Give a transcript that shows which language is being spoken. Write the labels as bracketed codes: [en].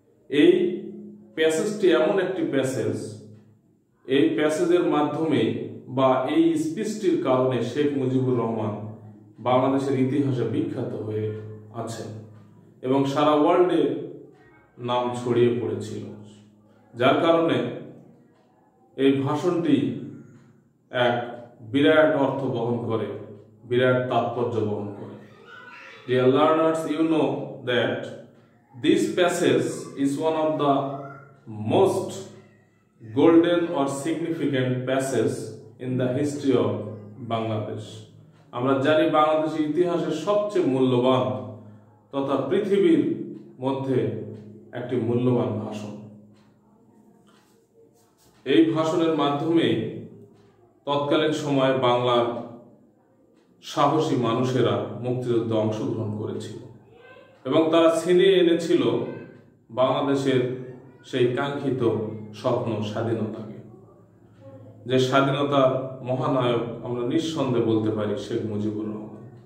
[bn] এই প্যাসেজটি এমন একটি প্যাসেজ, এই প্যাসেজের মাধ্যমে বা এই স্পিচটির কারণে শেখ মুজিবুর রহমান বাংলাদেশের ইতিহাসে বিখ্যাত হয়ে আছেন এবং সারা ওয়ার্ল্ডে নাম ছড়িয়ে পড়েছিল, যার কারণে এই ভাষণটি এক বিরাট অর্থ বহন করে, বিরাট তাৎপর্য বহন করে। [en] Dear learners, you know that this passage is one of the most golden or significant passages in the history of Bangladesh. [bn] আমরা জানি বাংলাদেশের ইতিহাসের সবচেয়ে মূল্যবান তথা পৃথিবীর মধ্যে একটি মূল্যবান ভাষণ। এই ভাষণের মাধ্যমে তৎকালীন সময়ে বাংলার সাহসী মানুষেরা মুক্তিযুদ্ধে অংশগ্রহণ করেছিল এবং তারা ছিনিয়ে এনেছিল বাংলাদেশের সেই কাঙ্ক্ষিত স্বপ্ন স্বাধীনতাকে, যে স্বাধীনতার মহানায়ক আমরা নিঃসন্দেহে বলতে পারি শেখ মুজিবুর রহমান।